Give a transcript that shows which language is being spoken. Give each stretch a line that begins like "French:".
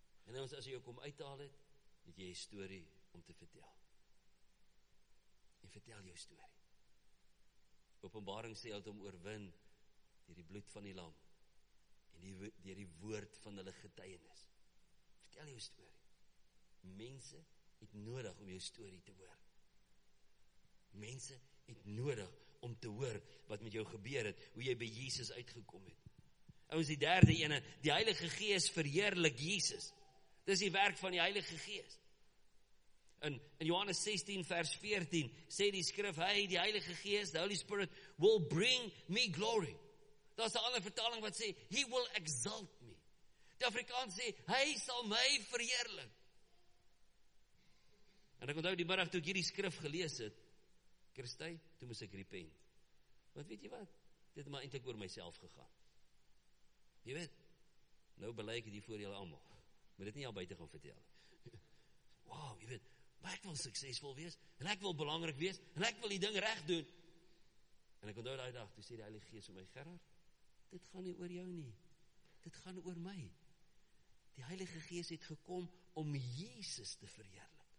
Afrikaans: En ons as hy jou kom uithaal het, het jy story om te vertel. En vertel jou story. Openbaring sê het om oorwin dier die bloed van die lam en dier die woord van hulle getuienis. Vertel jou story. Mense het nodig om jou story te hoor. Mense het nodig om te hoor wat met jou gebeur het, hoe jy by Jesus uitgekom het. Ons die derde ene, die Heilige Gees verheerlik Jesus. Dis die werk van die Heilige Gees. In Johannes 16 vers 14 sê die skrif, hy, die Heilige Gees,
English: the Holy Spirit, will bring me glory.
Afrikaans: Dat is die ander vertaling wat sê,
English: he will exalt me.
Afrikaans: Die Afrikaans sê, hy sal my verheerlik. En ek onthou die middag toe ek hierdie skrif gelees het, Christy, toe moes ek repent. Want weet jy wat? Dit het maar eintlik oor myself gegaan. Jy weet, nou bely ek hier voor julle allemaal. Moet dit nie al buite gaan vertel. Wow, jy weet, maar ek wil suksesvol wees, en ek wil belangrik wees, en ek wil die ding reg doen. En ek onthou die dag, toe sê die Heilige Gees vir my, Gerard, dit gaan nie oor jou nie. Dit gaan oor my. Die Heilige Gees het gekom om Jesus te verheerlik.